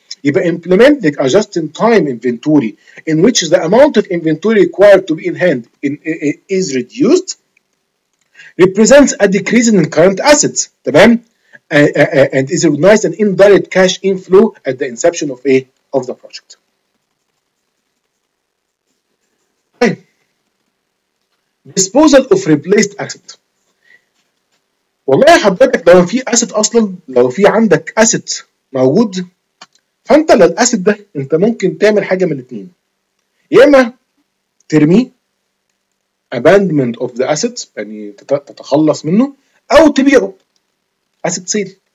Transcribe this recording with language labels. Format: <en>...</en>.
<en>يبقى امبلمنت لك just in time inventory in which the amount of inventory required to be on hand is reduced represents a decrease in current assets,</en> <ar>تمام؟</ar> <en>And is recognized an indirect cash inflow at the inception of the project. Disposal of replaced asset.</en> <ar>والله يا حضرتك لو في asset اصلا، لو في عندك asset موجود، فانت للاسيت ده انت ممكن تعمل حاجة من الاثنين، يا اما ترمي</ar> <en>abandonment of the assets،</en> <ar>يعني تتخلص منه، او تبيعه asset sale.</ar>